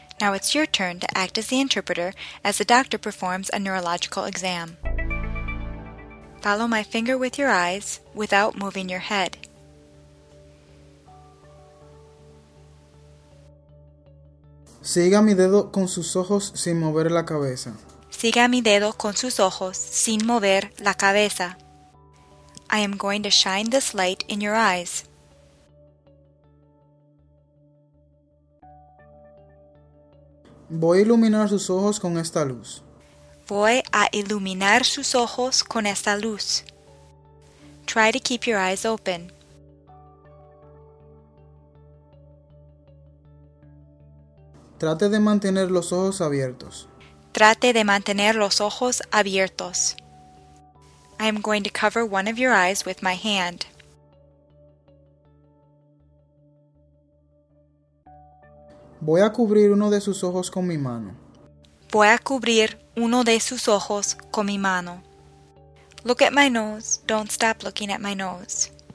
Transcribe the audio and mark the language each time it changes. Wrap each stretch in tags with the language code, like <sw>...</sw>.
<en>Now it's your turn to act as the interpreter as the doctor performs a neurological exam. Follow my finger with your eyes without moving your head.</en> <es>Siga mi dedo con sus ojos sin mover la cabeza. Siga mi dedo con sus ojos sin mover la cabeza.</es> <en>I am going to shine this light in your eyes.</en> <es>Voy a iluminar sus ojos con esta luz. Voy a iluminar sus ojos con esta luz.</es> <en>Try to keep your eyes open.</en> <es>Trate de mantener los ojos abiertos. Trate de mantener los ojos abiertos.</es> <en>I am going to cover one of your eyes with my hand.</en> <es>Voy a cubrir uno de sus ojos con mi mano. Voy a cubrir uno de sus ojos con mi mano.</es> <en>Look at my nose. Don't stop looking at my nose.</en>